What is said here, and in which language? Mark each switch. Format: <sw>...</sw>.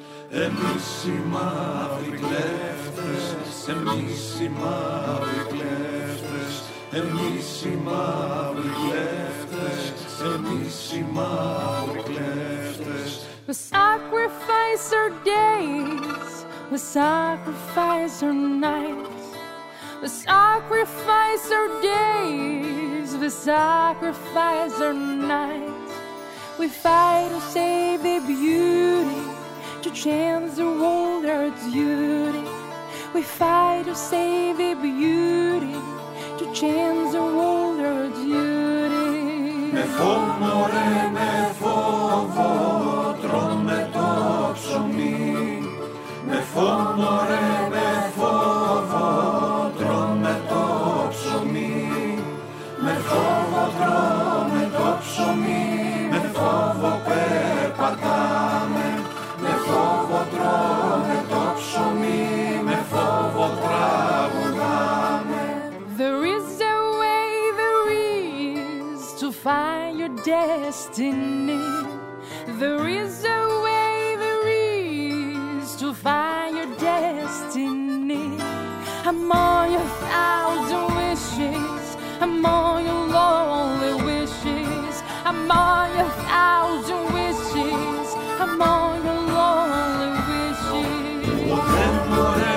<el>Εμείς οι μαύροι κλέφτες εμείς οι μαύροι κλέφτες, εμείς οι μαύροι κλέφτες, εμείς οι μαύροι κλέφτες.</el> <en>We sacrifice our days, we sacrifice our nights, we sacrifice our days, we sacrifice our nights. We fight to save the beauty, to change the world, our duty. We fight to save the beauty, to change the world, our duty.</en> <el>Με φόνο ρε, με φόβο, τρώμε το ψωμί. Με φόνο ρε, με φόβο, τρώμε το ψωμί. Με φόβο τρώμε το ψωμί, με φόβο περπατάμε. Με φόβο τρώμε το ψωμί, με φόβο τραγουδάμε.</el> <en>There is a way, there is to find your destiny. There is a way, there is to find your destiny. Among your thousand wishes, among your lonely wishes, among your thousand wishes, among your lonely wishes.</en>